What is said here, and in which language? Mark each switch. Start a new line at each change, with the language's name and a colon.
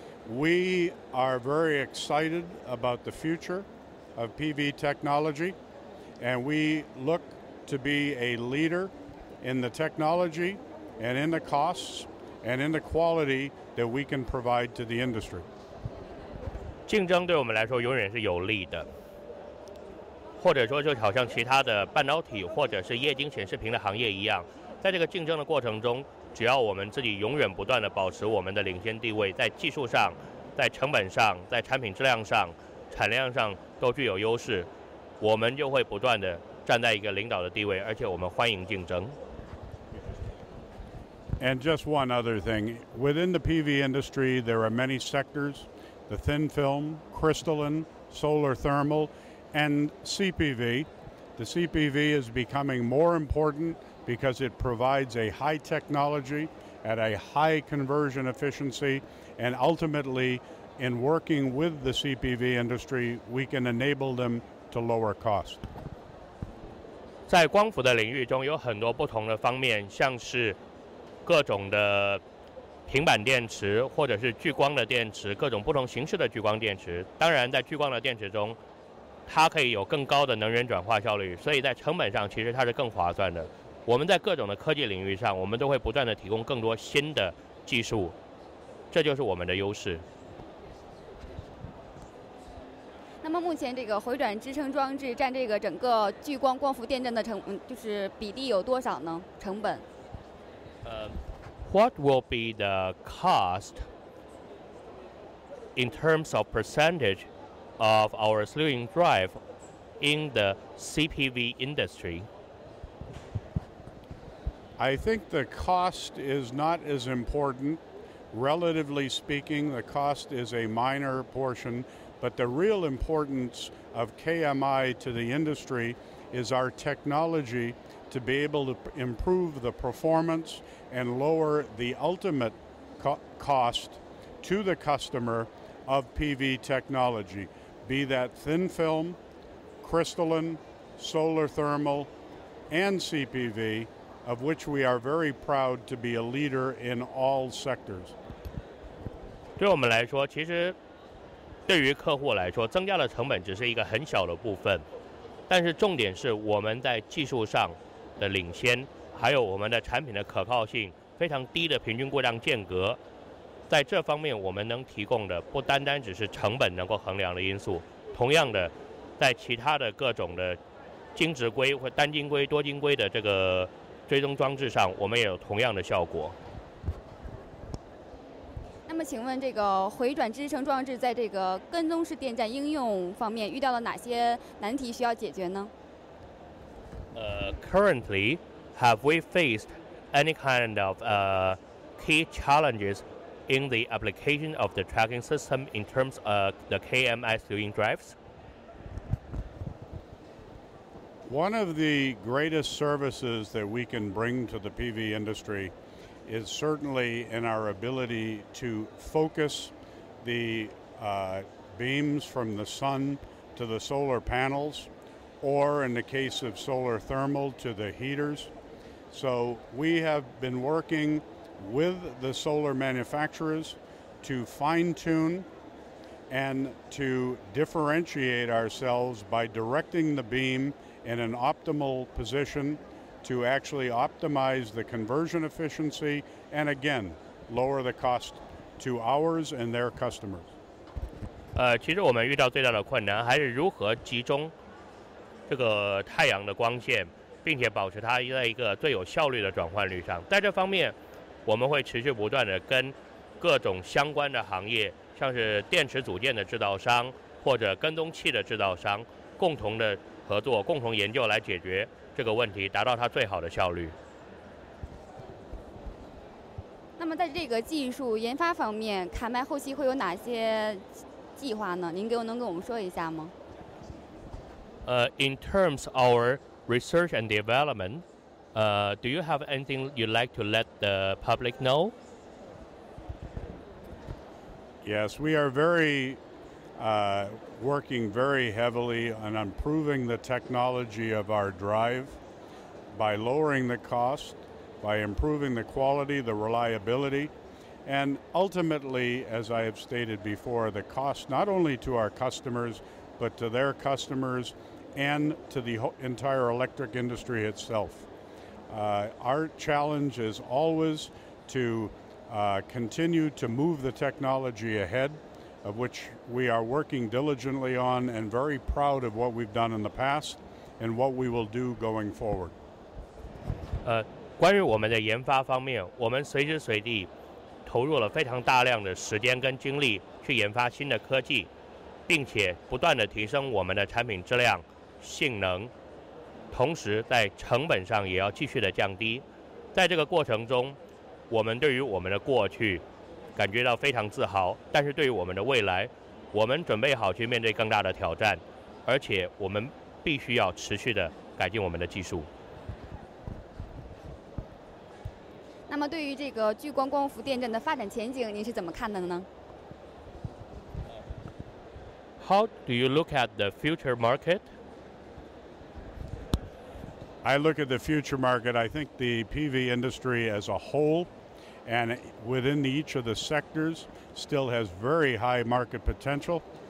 English: We are very excited about the future of PV technology, and we look to be a leaderin the technology, and in the costs, and in the quality that we can provide to the industry.
Chinese: 竞争对我们来说永远是有利的，或者说就好像其他的半导体或者是液晶显示屏的行业一样，在这个竞争的过程中，只要我们自己永远不断地保持我们的领先地位，在技术上，在成本上，在产品质量上，产量上都具有优势，我们就会不断地站在一个领导的地位，而且我们欢迎竞争。
English: And just one other thing. Within the PV industry, there are many sectors, the thin film, crystalline, solar thermal, and CPV. The CPV is becoming more important because it provides a high technology at a high conversion efficiency, and ultimately, in working with the CPV industry, we can enable them to lower cost.
Chinese: 在光伏的领域中有很多不同的方面，像是各种的平板电池或者是聚光的电池，各种不同形式的聚光电池。当然在聚光的电池中，它可以有更高的能源转化效率，所以在成本上其实它是更划算的。我们在各种的科技领域上，我们都会不断地提供更多新的技术，这就是我们的优势。那么目前这个回转支撑装置占这个整个聚光光伏电站的成就是比例有多少呢？成本？
English: What will be the cost in terms of percentage of our slewing drive in the CPV industry? I think the cost is not as important. Relatively speaking, the cost is a minor portion, but the real importance of KMI to the industry is our technology to be able to improve the performance and lower the ultimate cost to the customer of PV technology, be that thin film, crystalline, solar thermal, and CPV, of which we are very proud to be a leader in all sectors.
Chinese: 对我们来说，其实对于客户来说，增加的成本只是一个很小的部分，但是重点是我们在技术上的领先，还有我们的产品的可靠性，非常低的平均过量间隔，在这方面我们能提供的不单单只是成本能够衡量的因素，同样的，在其他的各种的晶质硅或单晶硅、多晶硅的这个追踪装置上，我们也有同样的效果。那么请问这个回转支撑装置在这个跟踪式电站应用方面遇到了哪些难题需要解决呢？
English: Currently, have we faced any kind of key challenges in the application of the tracking system in terms of the KMI slewing drives? One of the greatest services that we can bring to the PV industry is certainly in our ability to focus the beams from the sun to the solar panels, or in the case of solar thermal, to the heaters. So we have been working with the solar manufacturers to fine-tune and to differentiate ourselves by directing the beam in an optimal position to actually optimize the conversion efficiency and again, lower the cost to ours and their customers.
Chinese: 其实我们遇到最大的困难还是如何集中这个太阳的光线，并且保持它在一个最有效率的转换率上。在这方面，我们会持续不断的跟各种相关的行业，像是电池组件的制造商或者跟踪器的制造商共同的合作，共同研究来解决这个问题，达到它最好的效率。那么在这个技术研发方面，凯迈后期会有哪些计划呢？您给我能给我们说一下吗？
English: In terms of our research and development, do you have anything you'd like to let the public know? Yes, we are working very heavily on improving the technology of our drive by lowering the cost, by improving the quality, the reliability, and ultimately, as I have stated before, the cost not only to our customers, but to their customers and to the entire electric industry itself. Our challenge is always to continue to move the technology ahead, of which we are working diligently on and very proud of what we've done in the past and what we will do going forward.
Chinese: 关于我们的研发方面，我们随时随地投入了非常大量的时间跟精力去研发新的科技，并且不断地提升我们的产品质量性能，同时在成本上也要继续的降低。在这个过程中，我们对于我们的过去感觉到非常自豪，但是对于我们的未来，我们准备好去面对更大的挑战，而且我们必须要持续的改进我们的技术。那么对于这个聚光光伏电站的发展前景，您是怎么看的呢？
English: How do you look at the future market? I look at the future market. I think the PV industry as a whole and within each of the sectors still has very high market potential.